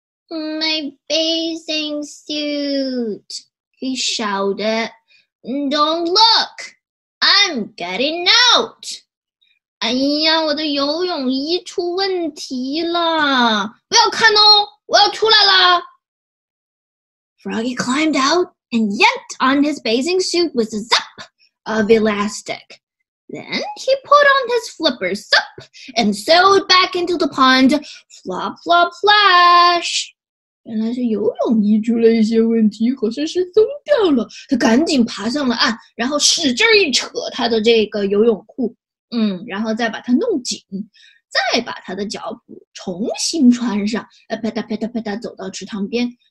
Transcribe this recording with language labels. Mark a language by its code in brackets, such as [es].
[en] My bathing suit, he shouted. Don't look! I'm getting out! [zh] 哎呀，我的游泳衣出问题了。不要看哦，我要出来了。 [en] Froggy climbed out and yanked on his bathing suit with a zap of elastic. Then he put on his flippers, zap, and sailed back into the pond, flop, flop, flash. [zh] 原来是游泳衣出了一些问题，好像是松掉了。他赶紧爬上了岸，然后使劲一扯他的这个游泳裤，然后再把它弄紧，再把他的脚蹼重新穿上，啪嗒啪嗒啪嗒走到池塘边。